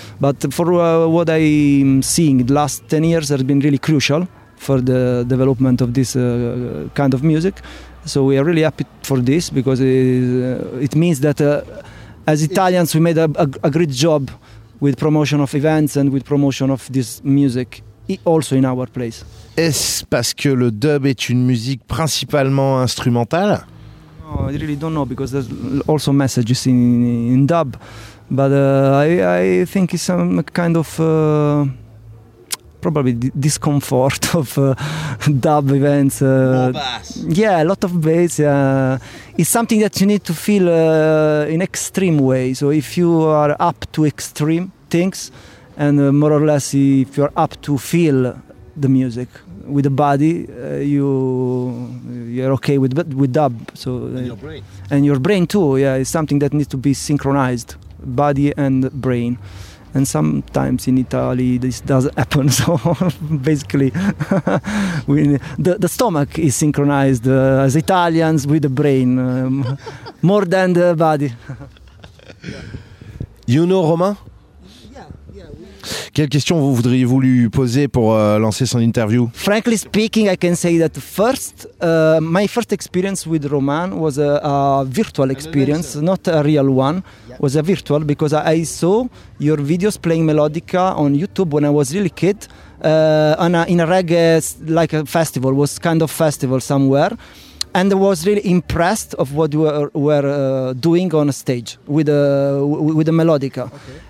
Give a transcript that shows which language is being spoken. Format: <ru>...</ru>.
<en>But for what I'm seeing, the last 10 years has been really crucial for the development of this kind of music. So we are really happy for this because it means that as Italians, we made a great job with promotion of events and with promotion of this music, also in our place.</en> <fr>Est-ce parce que le dub est une musique principalement instrumentale?</fr> <en>Oh, I really don't know, because there's also messages in dub, but I think it's some kind of probably discomfort of dub events. More bass. Yeah, a lot of bass. Yeah. It's something that you need to feel in extreme way. So if you are up to extreme things, and more or less if you're up to feel the music with the body, you're okay with dub. So and your brain too. Yeah, it's something that needs to be synchronized, body and brain. And sometimes in Italy this does happen. So basically, the stomach is synchronized as Italians with the brain more than the body. You know, Romain?</en> <fr>Quelle question vous voudriez-vous lui poser pour lancer son interview?</fr> <en>Frankly speaking, I can say that first, my first experience with Roman was a virtual experience, not a real one. Yeah. Was a virtual because I saw your videos playing melodica on YouTube when I was really kid, in a reggae like a festival, was kind of festival somewhere, and I was really impressed of what you were doing on a stage with a melodica. Okay.</en>